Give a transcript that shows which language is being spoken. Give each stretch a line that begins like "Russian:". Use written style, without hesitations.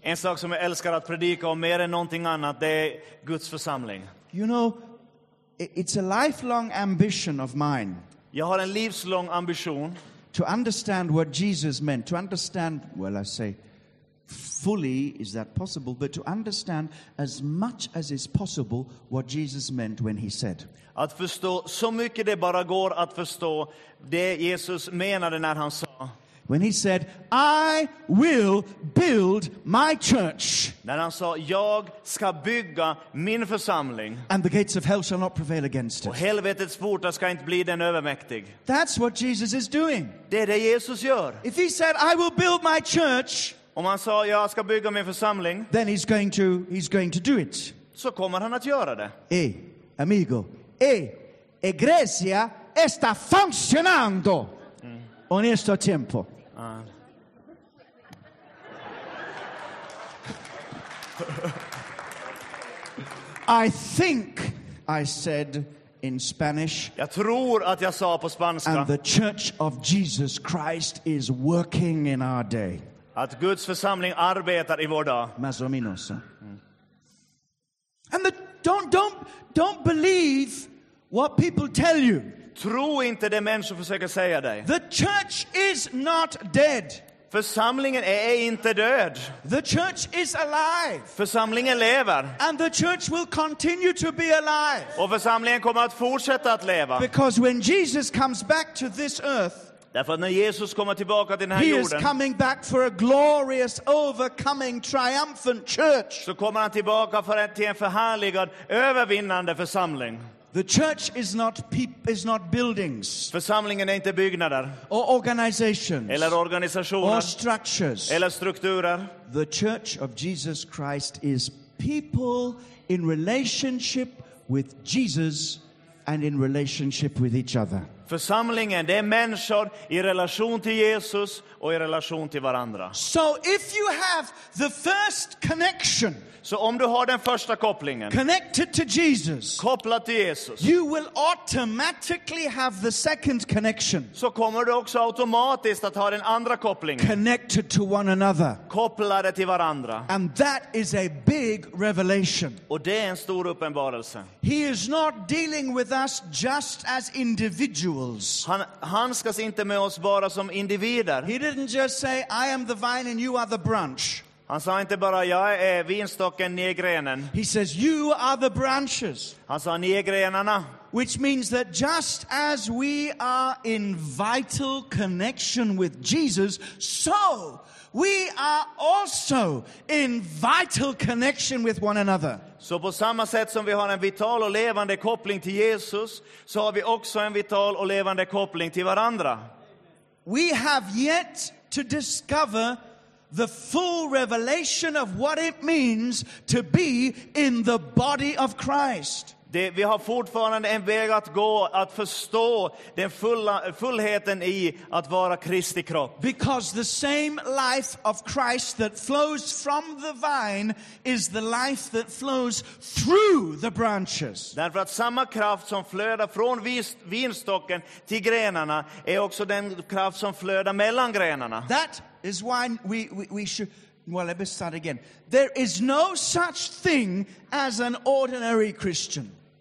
Swedish: En sak som jag älskar att predika om mer än någonting annat, det är Guds församling.
English: You know, it's a lifelong ambition of mine.
Swedish: Jag har en livslång ambition.
English: To understand what Jesus meant. To understand, well, I say, fully, is that possible? But to understand as much as is possible what Jesus meant when he said.
Swedish: Att förstå så mycket det bara går att förstå det Jesus menade när han sa.
English: When he said, I will build my church.
Swedish: När han sa, jag ska bygga min församling.
English: And the gates of hell shall not prevail against it.
Swedish: Och helvetets portar ska inte bli den övermäktig.
English: That's what Jesus is doing.
Swedish: Det är det Jesus gör.
English: If he said, I will build my church.
Swedish: Om han sa, jag ska bygga min församling.
English: Then he's going to do it.
Swedish: Så kommer han att göra det.
Spanish: Eh, amigo. Eh, iglesia está funcionando. Onesto tempo.
English: I think I said in Spanish.
Swedish: Jag tror att jag sa på spanska.
English: And the Church of Jesus Christ is working in our day.
Swedish: Att Guds församling arbetar i vår dag.
English: Masominos. And don't believe what people tell you.
Swedish: Tro inte det människor försöker säga dig.
English: The church is not dead.
Swedish: Församlingen är inte död.
English: The church is alive.
Swedish: Församlingen lever.
English: And the church will continue to be alive.
Swedish: Och församlingen kommer att fortsätta att leva.
English: Because when Jesus comes back to this earth,
Swedish: därför när Jesus kommer tillbaka till den här
English: he
Swedish: jorden,
English: is coming back for a glorious, overcoming, triumphant church.
Swedish: Så kommer han tillbaka för att till en förhärligad, övervinnande församling.
English: The church is not is not buildings.
Swedish: Församlingen är inte byggnader.
English: Or organizations.
Swedish: Eller organisationer.
English: Or structures.
Swedish: Eller strukturer.
English: The Church of Jesus Christ is people in relationship with Jesus and in relationship with each other.
Swedish: Församlingen, det är människor i relation till Jesus och i relation till varandra.
English: So if you have the first connection,
Swedish: så om du har den första kopplingen,
English: connected to Jesus,
Swedish: kopplat till Jesus,
English: you will automatically have the second connection,
Swedish: så kommer du också automatiskt att ha den andra kopplingen,
English: connected to one another,
Swedish: kopplade till varandra.
English: And that is a big revelation.
Swedish: Och det är en stor uppenbarelse.
English: He is not dealing with us just as individuals.
Swedish: Han handskas inte med oss bara som individer.
English: He didn't just say, I am the vine and you are the branch.
Swedish: Han sa inte bara, jag är vinstocken, ni är grenen.
English: He says, you are the branches.
Swedish: Han sa, ni är grenarna.
English: Which means that just as we are in vital connection with Jesus, so we are also in vital connection with one another.
Swedish: Så på samma sätt som vi har en vital och levande koppling till Jesus, så har vi också en vital och levande koppling till varandra.
English: We have yet to discover the full revelation of what it means to be in the body of Christ.
Swedish: Vi har fortfarande en väg att gå att förstå den fullheten i att vara Kristi kropp.
English: Because the same life of Christ that flows from the vine is the life that flows through the branches.
Swedish: Därför att samma kraft som flödar från vinstocken till grenarna är också den kraft som flödar mellan grenarna.
English: That is why we should... Well, let me start again. There is no such thing as an ordinary Christian.